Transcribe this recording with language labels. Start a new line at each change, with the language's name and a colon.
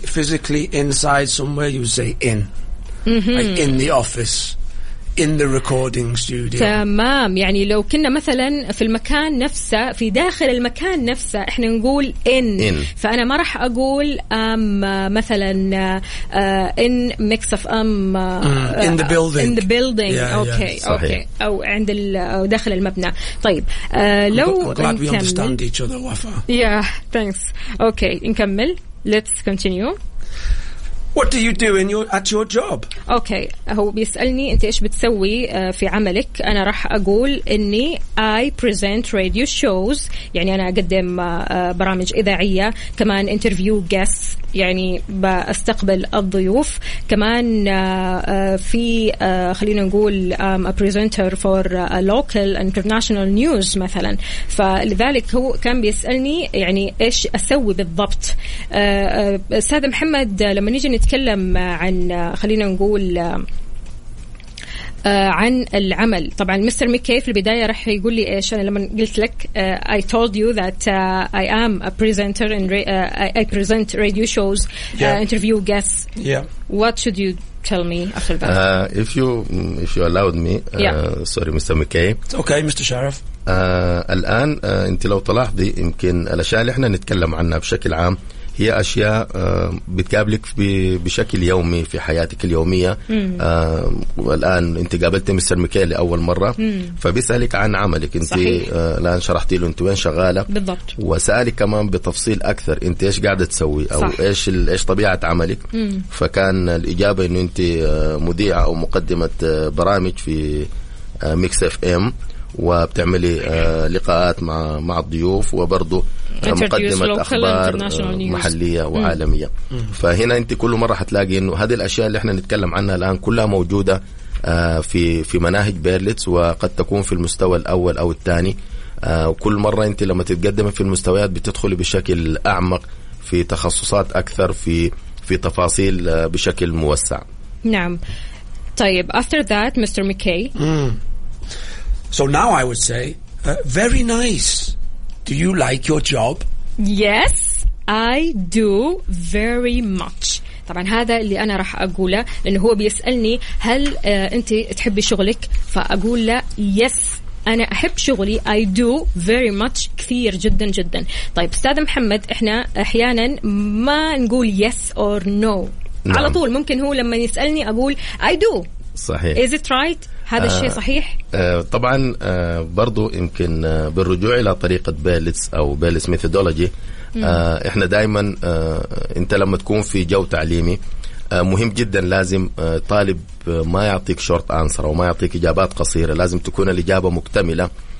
English: Physically inside somewhere you say in. Mm-hmm. Like in the office, in the recording studio.
Arabic: تمام. يعني لو كنا مثلا في المكان نفسه, في داخل المكان نفسه, احنا نقول in.
English: In.
Arabic: فأنا ما راح أقول مثلا
English: in mix of in the building. In the building. Yeah, okay. Yeah. Okay.
Arabic: أو عند ال أو داخل المبنى. طيب لو glad نكمل.
English: We understand each other, وفا. Yeah. Thanks. Okay.
Arabic: نكمل.
English: Let's continue. What do you do in your at your job? Okay,
Arabic: هو بيسألني أنت إيش بتسوي في عملك. أنا راح أقول إني
English: I present radio shows.
Arabic: يعني أنا أقدم برامج إذاعية, كمان
English: interview guests,
Arabic: يعني بستقبل الضيوف, كمان في خلينا نقول
English: a presenter for a local international news
Arabic: مثلا. فلذلك هو كان بيسألني يعني إيش أسوي بالضبط. أستاذ محمد, لما نيجي نتكلم عن خلينا نقول عن العمل, طبعا مستر ميكي في البداية رح يقول لي إيش. أنا لما قلت لك
English: I told you that I am a presenter and I present radio shows. Yeah. Interview guests. Yeah. What should you tell me after that? If you allowed me. Yeah. Sorry Mr. McKay. It's okay Mr. Sharif.
Arabic: الآن أنت لو تلاحظي يمكن الأشياء اللي احنا نتكلم عنها بشكل عام هي أشياء بتقابلك بشكل يومي في حياتك اليومية. والآن أنت قابلت مستر ميكي لأول مرة. فبيسألك عن عملك أنت. الآن شرحتي له أنت وين شغالة بالضبط, وسألك كمان بتفصيل أكثر أنت إيش قاعدة تسوي. صح. أو إيش طبيعة عملك. فكان الإجابة أنه أنت مذيعة أو مقدمة برامج في ميكس اف ام, وبتعملي لقاءات مع الضيوف, وبرضو مقدمة أخبار محلية وعالمية. فهنا أنت كل مرة حتلاقي أنه هذه الأشياء اللي احنا نتكلم عنها الآن كلها موجودة في مناهج بيرلتس, وقد تكون في المستوى الأول أو الثاني. وكل مرة أنت لما تتقدم في المستويات بتدخل بشكل أعمق في تخصصات أكثر في تفاصيل بشكل موسع. نعم. طيب
English: after that Mr. McKay. So now I would say, very nice. Do you like your job? Yes, I do very much.
Arabic: طبعا هذا اللي أنا راح أقوله, لأنه هو بيسألني هل أنت تحبي شغلك, فأقول له
English: yes,
Arabic: أنا أحب شغلي.
English: I do very much,
Arabic: كثير جدا جدا. طيب أستاذ محمد, إحنا أحيانا ما نقول
English: yes or no.
Arabic: نعم. على طول ممكن هو لما يسألني أقول
English: I do.
Arabic: صحيح.
English: Is it right?
Arabic: هذا الشيء صحيح؟ طبعا برضو يمكن بالرجوع إلى طريقة بيلتس أو بيلتس ميثودولوجي, إحنا دائما أنت لما تكون في جو تعليمي مهم جدا لازم طالب ما يعطيك
English: short answer
Arabic: أو ما يعطيك إجابات قصيرة, لازم تكون الإجابة مكتملة.